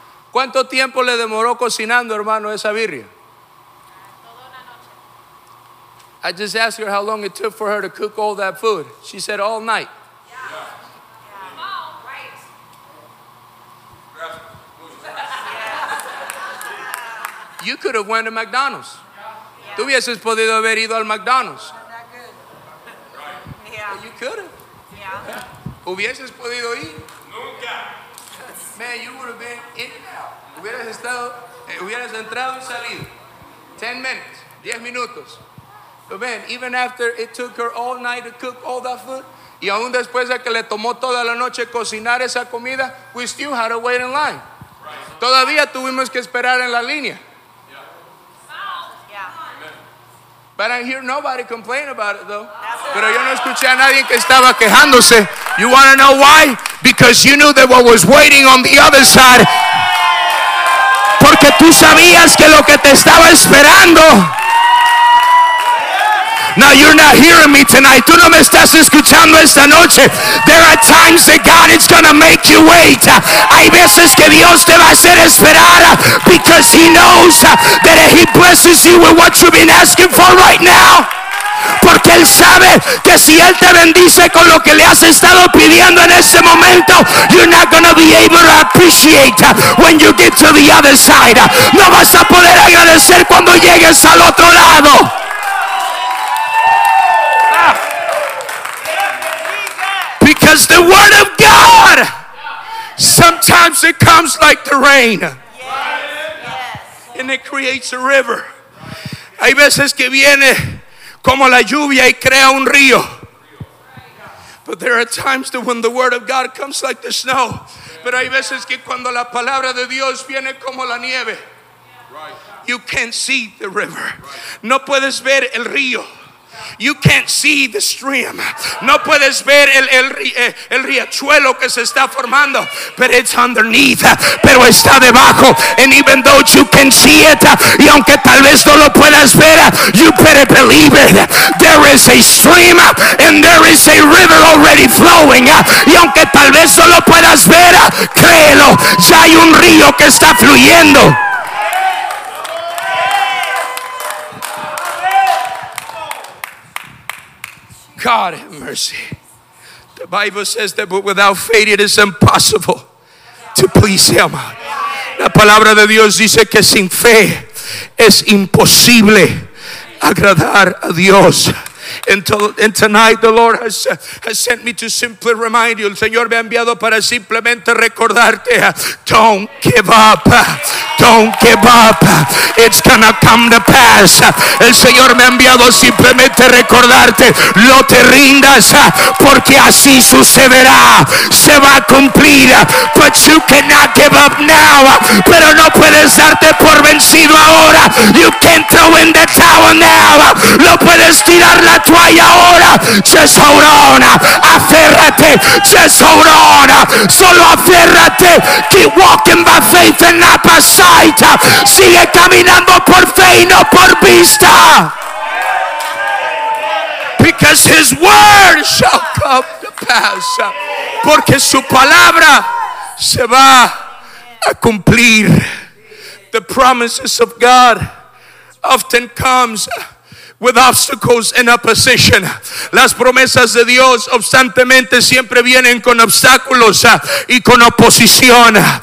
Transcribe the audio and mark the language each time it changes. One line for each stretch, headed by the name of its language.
Spanish: ¿Cuánto tiempo le demoró cocinando, hermano, esa birria? Toda una noche.
English: I just asked her how long it took for her to cook all that food. She said all night. You could have went to McDonald's. Yeah.
Spanish: Tú hubieses podido haber ido al McDonald's.
English: Yeah. You could have. Yeah.
Spanish: Hubieses podido ir. Nunca.
English: Man, you would have been in and out.
Spanish: Hubieras estado, hubieras entrado y salido.
English: 10 minutes.
Spanish: 10 minutos.
English: But man, even after it took her all night to cook all that food,
Spanish: y aún después de que le tomó toda la noche cocinar esa comida,
English: we still had to wait in line.
Spanish: Todavía tuvimos que esperar en la línea.
English: But I hear nobody complain about it, though.
Spanish: Pero yo no escuché a nadie que estaba quejándose.
English: You want to know why? Because you knew that what was waiting on the other side.
Spanish: Porque tú sabías que lo que te estaba esperando.
English: Now you're not hearing me tonight.
Spanish: Tú no me estás escuchando esta noche.
English: There are times that God is going to make you wait.
Spanish: Hay veces que Dios te va a hacer esperar.
English: Because he knows that if he blesses you with what you've been asking for right now.
Spanish: Porque él sabe que si él te bendice con lo que le has estado pidiendo en ese momento,
English: you're not going to be able to appreciate when you get to the other side.
Spanish: No vas a poder agradecer cuando llegues al otro lado.
English: Because the word of God, sometimes it comes like the rain. Yes. And it creates a river.
Spanish: Hay veces que viene como la lluvia y crea un río.
English: But there are times that when the word of God comes like the snow.
Spanish: Pero hay veces que cuando la palabra de Dios viene como la nieve.
English: You can't see the river.
Spanish: No puedes ver el río.
English: You can't see the stream.
Spanish: No puedes ver el riachuelo que se está formando.
English: But it's underneath.
Spanish: Pero está debajo.
English: And even though you can see it,
Spanish: y aunque tal vez no lo puedas ver,
English: you better believe it. There is a stream and there is a river already flowing.
Spanish: Y aunque tal vez no lo puedas ver, créelo, ya hay un río que está fluyendo.
English: God have mercy. The Bible says that but without faith it is impossible to please him.
Spanish: La palabra de Dios dice que sin fe es imposible agradar a Dios.
English: And tonight the Lord has sent me to simply remind you.
Spanish: El Señor me ha enviado para simplemente recordarte.
English: Don't give up. Don't give up. It's gonna come to pass.
Spanish: El Señor me ha enviado simplemente recordarte. No te rindas, porque así sucederá. Se va a cumplir.
English: But you cannot give up now.
Spanish: Pero no puedes darte por vencido ahora.
English: You can't throw in the towel now.
Spanish: No puedes tirar la toalla ahora.
English: Just hold on.
Spanish: Aférrate.
English: Just hold on.
Spanish: Solo aférrate.
English: Keep walking by faith and not by sight.
Spanish: Sigue caminando por fe y no por vista.
English: Because his word shall come to pass.
Spanish: Porque su palabra se va a cumplir.
English: The promises of God often comes with obstacles and opposition.
Spanish: Las promesas de Dios obstantemente siempre vienen con obstáculos y con oposición.